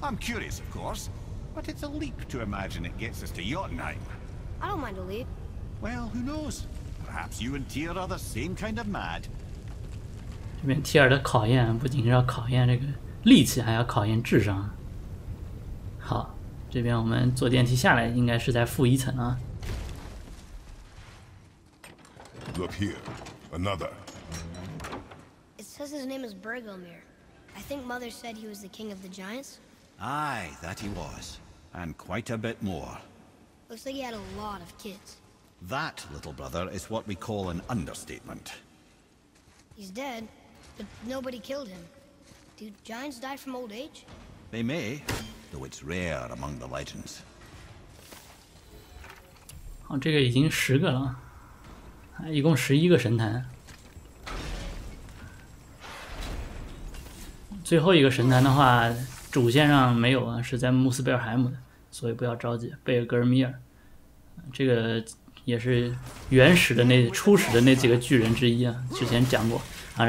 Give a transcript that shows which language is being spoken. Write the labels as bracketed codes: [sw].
[en] I'm curious, of course, but it's a leap to imagine it gets us to Jotunheim. I don't mind a leap. Well, who knows? Perhaps you and Tyr are the same kind of mad. [zh] 这边 Tyr 的考验不仅是要考验这个力气，还要考验智商。好，这边我们坐电梯下来，应该是在负一层啊。 [en] Look here, another. It says his name is Bergelmir. I think Mother said he was the king of the giants. Aye, that he was, and quite a bit more. Looks like he had a lot of kids. That, little brother, is what we call an understatement. He's dead, but nobody killed him. Do giants die from old age? They may, though it's rare among the legends. [zh] 好，这个已经十个了，还一共十一个神坛。最后一个神坛的话，主线上没有啊，是在穆斯贝尔海姆的，所以不要着急。贝尔格尔米尔，这个也是原始的那初始的那几个巨人之一啊，之前讲过啊。